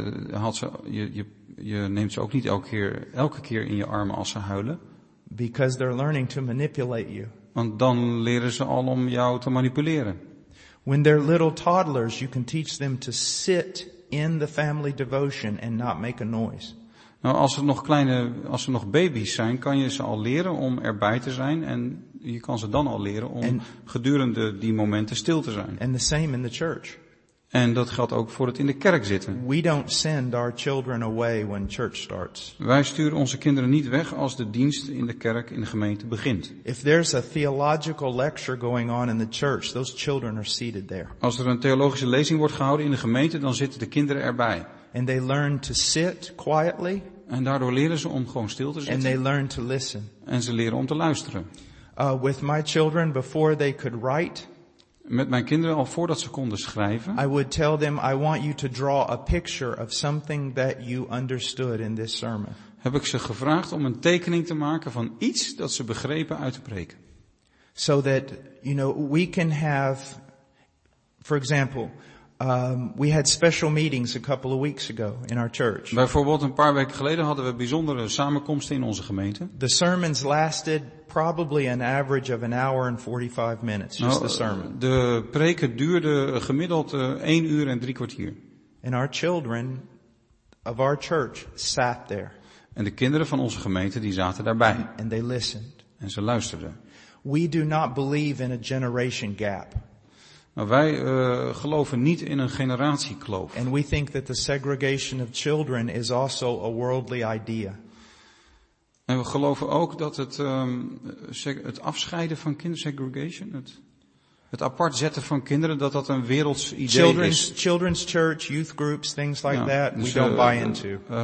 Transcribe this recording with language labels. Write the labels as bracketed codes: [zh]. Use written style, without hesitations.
[nl] Maar je neemt ze ook niet elke keer in je armen als ze huilen. [en] Because they're learning to manipulate you. [nl] Want dan leren ze al om jou te manipuleren. [en] When they're little toddlers, you can teach them to sit in the family devotion and not make a noise. [nl] Nou, als ze nog baby's zijn, kan je ze al leren om erbij te zijn en je kan ze dan al leren om gedurende die momenten stil te zijn. [en] And the same in the church. [nl] En dat geldt ook voor het in de kerk zitten. [en] We don't send our children away when church starts. [nl] Wij sturen onze kinderen niet weg als de dienst in de kerk in de gemeente begint. [en] If there's a theological lecture going on in the church, those children are seated there. [nl] Als er een theologische lezing wordt gehouden in de gemeente, dan zitten de kinderen erbij. [en] And they learn to sit quietly. [nl] En daardoor leren ze om gewoon stil te zitten. [en] And they learn to listen. [nl] En ze leren om te luisteren. [en] With my children before they could write. [nl] Met mijn kinderen al voordat ze konden schrijven. [en] I would tell them, I want you to draw a picture of something that you understood in this sermon. [nl] Heb ik ze gevraagd om een tekening te maken van iets dat ze begrepen uit de preek. [en] So that, you know, we can have, for example, we had special meetings a couple of weeks ago in our church. [nl] Bijvoorbeeld een paar weken geleden hadden we bijzondere samenkomsten in onze gemeente. [en] The sermons lasted probably an average of an hour and 45 minutes, just the sermon. [nl] De preken duurden gemiddeld 1 uur en 3 kwartier. [en] And our children of our church sat there. [nl] En de kinderen van onze gemeente die zaten daarbij. [en] And they listened. [nl] En ze luisterden. [en] We do not believe in a generation gap. [nl] Maar wij geloven niet in een generatiekloof. [en] And we think that the segregation of children is also a worldly idea. [nl] En we geloven ook dat het afscheiden van kindersegregation, het apart zetten van kinderen, dat een werelds idee [en] children's, [nl] is. [en] Children's church, youth groups, things like that, dus we don't buy into.